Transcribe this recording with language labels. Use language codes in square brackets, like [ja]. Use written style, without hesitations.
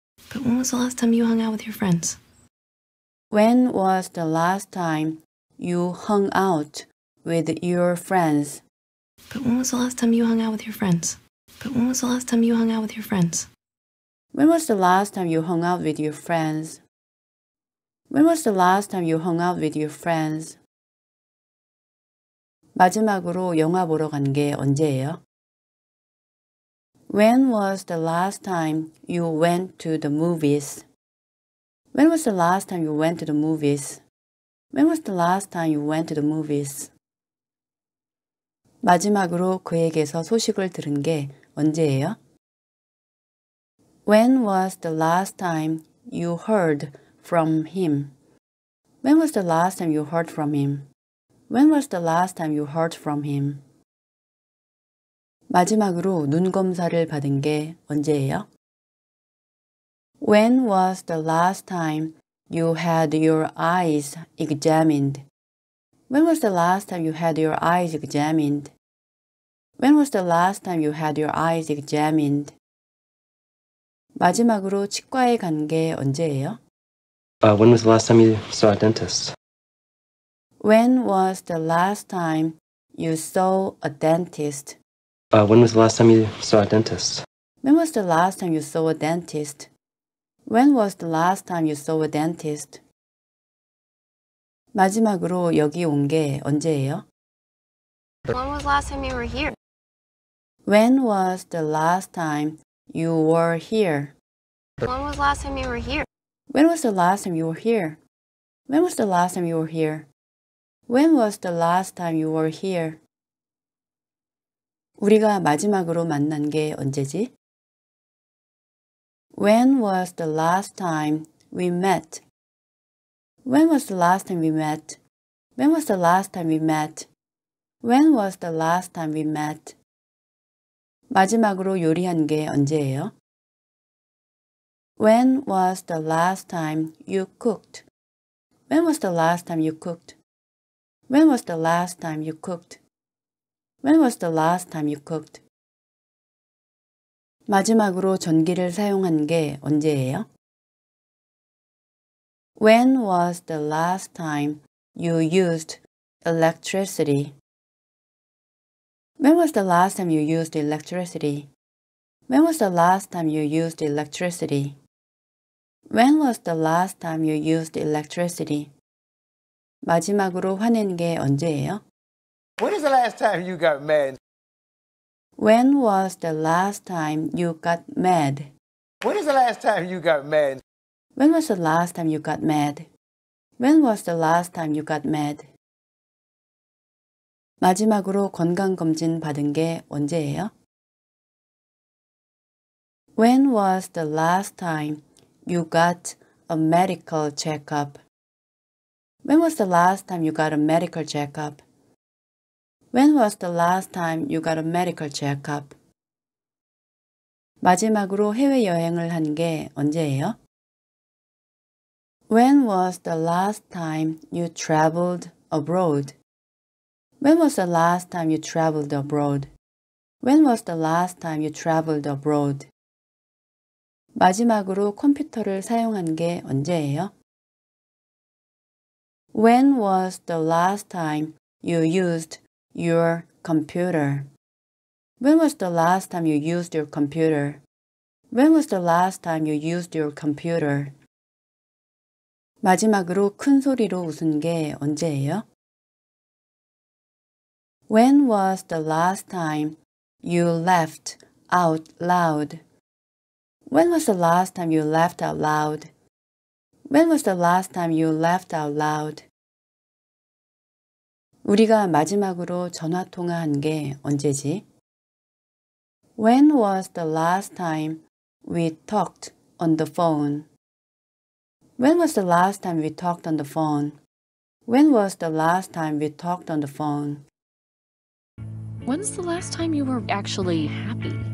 [en] But when was the last time you hung out with your friends? When was the last time you hung out with your friends? But when was the last time you hung out with your friends? But when was the last time you hung out with your friends? When was the last time you hung out with your friends? When was the last time you hung out with your friends? [ko] 마지막으로 영화 보러 간 게 언제예요? [en] When was the last time you went to the movies? When was the last time you went to the movies? When was the last time you went to the movies? [ko] 마지막으로 그에게서 소식을 들은 게 언제예요? [en] When was the last time you heard from him? When was the last time you heard from him? When was the last time you heard from him? [ko] 마지막으로 눈 검사를 받은 게 언제예요? [en] When was the last time you had your eyes examined? When was the last time you had your eyes examined? When was the last time you had your eyes examined? [ko] 마지막으로 치과에 간 게 언제예요? [en] When was the last time you saw a dentist? When was the last time you saw a dentist? When was the last time you saw a dentist? When was the last time you saw a dentist? When was the last time you saw a dentist? [ko] 마지막으로 여기 온 게 언제예요? [en] When was the last time you were here? When was the last time you were here? When was the last time you were here? When was the last time you were here? When was the last time you were here? When was the last time you were here? [ko] 우리가 마지막으로 만난 게 언제지? [en] When was the last time we met? When was the last time we met? When was the last time we met? When was the last time we met? [ko] 마지막으로 요리한 게 언제예요? [en] When was the last time you cooked? When was the last time you cooked? When was the last time you cooked? When was the last time you cooked? [ko] 마지막으로 전기를 사용한 게 언제예요? [en] When was the last time you used electricity? When was the last time you used electricity? When was the last time you used electricity? When was the last time you used electricity? [ko] 마지막으로 화낸 게 언제예요? [en] When is the last time you got mad? When was the last time you got mad? When is the last time you got mad? When was the last time you got mad? When was the last time you got mad? [ko] 마지막으로 건강검진 받은 게 언제예요? [en] When was the last time you got a medical checkup? When was the last time you got a medical checkup? When was the last time you got a medical checkup? [ko] 마지막으로 해외여행을 한 게 언제예요? [en] When was the last time you traveled abroad? When was the last time you traveled abroad? When was the last time you traveled abroad? [ko] 마지막으로 컴퓨터를 사용한 게 언제예요? [en] When was the last time you used your computer? When was the last time you used your computer? When was the last time you used your computer? [ko] 마지막으로 큰 소리로 웃은 게 언제예요? [en] When was the last time you laughed out loud? When was the last time you laughed out loud? When was the last time you laughed out loud? [ko] 우리가 마지막으로 전화 통화한 게 언제지? [en] When was the last time we talked on the phone? When was the last time we talked on the phone? When was the last time we talked on the phone? When's the last time you were actually happy?